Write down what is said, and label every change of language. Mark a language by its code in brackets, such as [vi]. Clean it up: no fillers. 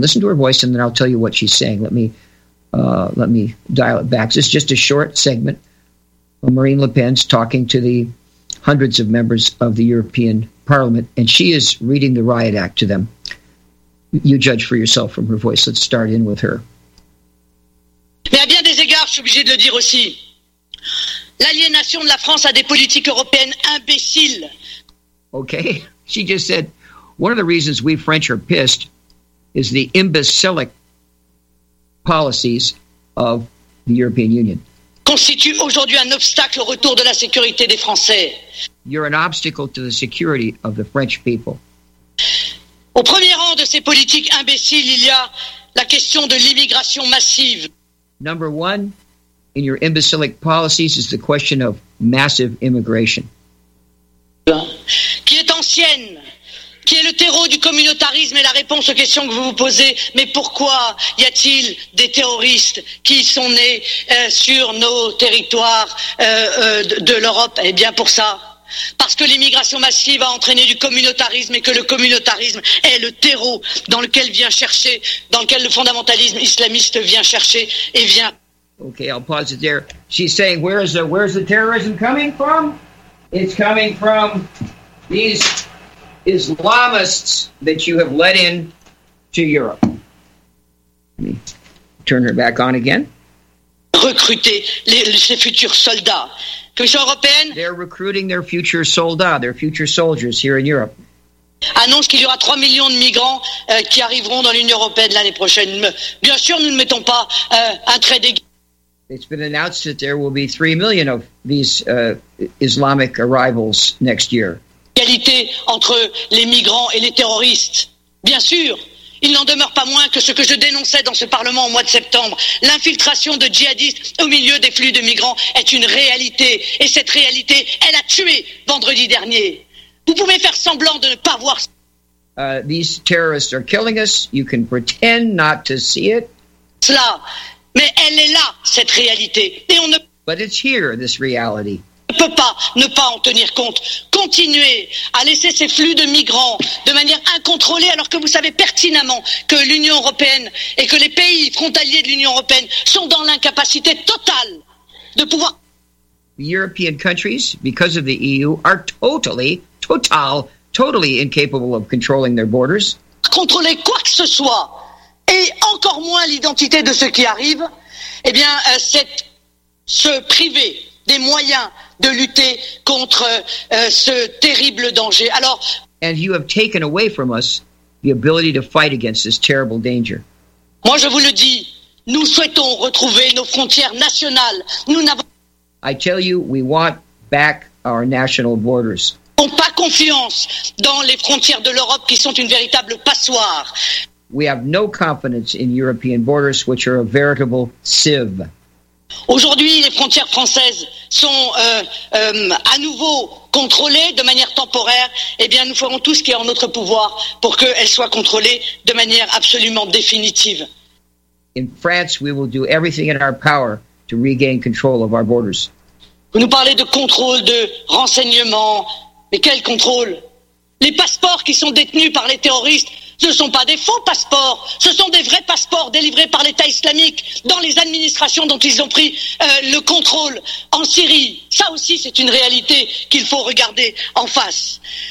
[en] Listen to her voice, and then I'll tell you what she's saying. Let me dial it back. This is just a short segment of Marine Le Pen's talking to the hundreds of members of the European Parliament, and she is reading the Riot Act to them. You judge for yourself from her voice. Let's start in with her. [fr] Mais à bien des égards, je suis obligé de le dire aussi. L'aliénation de la France à des politiques européennes imbéciles. [en] Okay, she just said, one of the reasons we French are pissed is the imbecilic policies of the European Union. [fr] Constitue aujourd'hui un obstacle au retour de la sécurité des Français. [en] You're an obstacle to the security of the French people. [fr] Au premier rang de ces politiques imbéciles, il y a la question de l'immigration massive. [en] Number one in your imbecilic policies is the question of massive immigration. [fr] Qui est ancienne, qui est le terreau du communautarisme et la réponse aux questions que vous vous posez, mais pourquoi y a-t-il des terroristes qui sont nés sur nos territoires de l'Europe? Eh bien pour ça, parce que l'immigration massive a entraîné du communautarisme et que le communautarisme est le terreau dans lequel vient chercher, dans lequel le fondamentalisme islamiste vient chercher et vient... [en] Okay, I'll pause it there. She's saying, where's the terrorism coming from? It's coming from these Islamists that you have let in to Europe. Let me turn her back on again. [fr] Recruter les futurs soldats. Commission européenne. [en] They're recruiting their future soldats, their future soldiers here in Europe. [fr] Annonce qu'il y aura 3 millions de migrants qui arriveront dans l'Union européenne l'année prochaine. Bien sûr, nous ne mettons pas un trait d'égard. [en] It's been announced that there will be 3 million of these Islamic arrivals next year. [fr] Égalité entre les migrants et les terroristes. Bien sûr, il n'en demeure pas moins que ce que je dénonçais dans ce Parlement au mois de septembre. L'infiltration de djihadistes au milieu des flux de migrants est une réalité. Et cette réalité, elle a tué vendredi dernier. Vous pouvez faire semblant de ne pas voir... [en] These terrorists are killing us. You can pretend not to see it. [fr] Cela... Mais elle est là, cette réalité. Et on ne... [en] But it's here, this reality. [fr] ne peut pas ne pas en tenir compte. Continuer à laisser ces flux de migrants de manière incontrôlée, alors que vous savez pertinemment que l'Union européenne et que les pays frontaliers de l'Union européenne sont dans l'incapacité totale de pouvoir... [en] The European countries, because of the EU, are totally incapable of controlling their borders. [fr] Contrôler quoi que ce soit, et encore moins l'identité de ceux qui arrivent, eh bien, c'est se priver des moyens de lutter contre ce terrible danger. Alors, [en] and you have taken away from us the ability to fight against this terrible danger. [fr] Moi, je vous le dis, nous souhaitons retrouver nos frontières nationales. Nous n'avons [en] I tell you, we want back our national borders. [fr] Nous n'avons pas confiance dans les frontières de l'Europe qui sont une véritable passoire. [en] We have no confidence in European borders, which are a veritable sieve. [fr] Aujourd'hui, les frontières françaises sont à nouveau contrôlées de manière temporaire. Eh bien, nous ferons tout ce qui est en notre pouvoir pour qu'elles soient contrôlées de manière absolument définitive. [en] In France, we will do everything in our power to regain control of our borders. [fr] Vous nous parlez de contrôle, de renseignement. Mais quel contrôle ? Les passeports qui sont détenus par les terroristes, ce ne sont pas des faux passeports, ce sont des vrais passeports délivrés par l'État islamique dans les administrations dont ils ont pris le contrôle en Syrie. Ça aussi, c'est une réalité qu'il faut regarder en face.